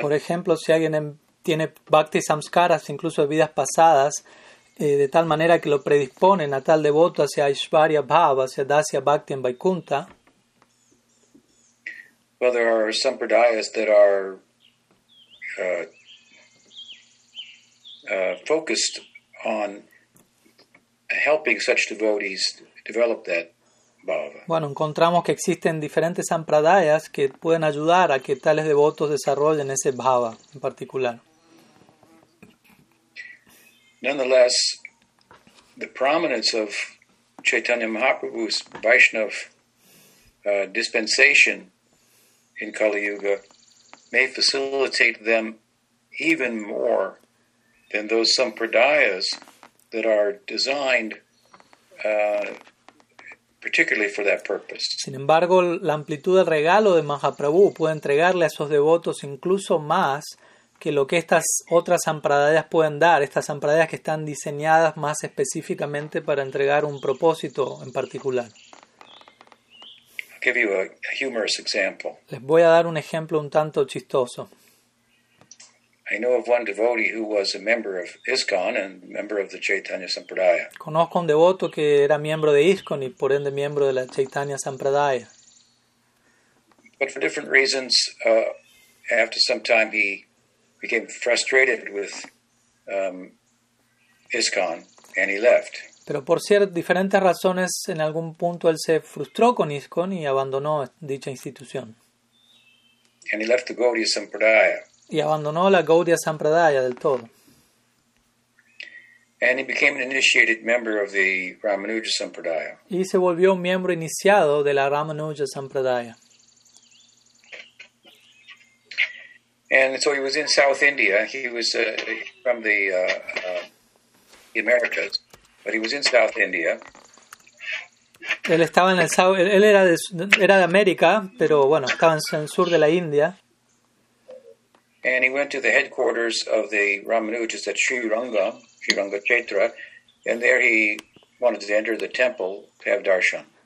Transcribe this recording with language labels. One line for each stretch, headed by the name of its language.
Spanish: Por ejemplo, si alguien tiene bhakti samskaras, incluso de vidas pasadas, de tal manera que lo predisponen a tal devoto hacia Aishvarya Bhav, hacia Dasya Bhakti en Vaikuntha.
English: Well, there are some pradayas that are focused on helping such devotees develop that bhava.
Spanish: Bueno, encontramos que existen diferentes sampradayas que pueden ayudar a que tales devotos desarrollen ese bhava en particular.
English: Nonetheless, the prominence of Chaitanya Mahaprabhu's Vaishnav dispensation in Kali Yuga may facilitate them even more than those sampradayas that are designed particularly for that purpose.
Spanish: Sin embargo, la amplitud del regalo de Mahaprabhu puede entregarle a esos devotos incluso más que lo que estas otras sampradayas pueden dar, estas sampradayas que están diseñadas más específicamente para entregar un propósito en particular.
English: I'll give you a humorous example.
Spanish: Les voy a dar un ejemplo un tanto chistoso.
English: I know of one devotee who was a member of ISKCON and member of the Chaitanya Sampradaya.
Spanish: Conozco un devoto que era miembro de ISKCON y por ende miembro de la Chaitanya Sampradaya.
English: But for different reasons, after some time he became frustrated with ISKCON and he left.
Spanish: Pero por diferentes razones, en algún punto él se frustró con ISKCON y abandonó dicha institución.
English: And he left the Gaudiya Sampradaya.
Spanish: Y abandonó la Gaudiya Sampradaya del todo.
English: And he became an initiated member of the Ramanuja Sampradaya.
Spanish: Y se volvió un miembro iniciado de la Ramanuja Sampradaya.
English: And so he was in South India. He was from the Americas, but he was in South India.
Spanish: Él estaba en el él era de América, pero bueno, estaba en el sur de la India.
English: And he went to the headquarters of the Ramanujas at Sriranga Chaitra, and there he wanted to enter the temple to have darshan.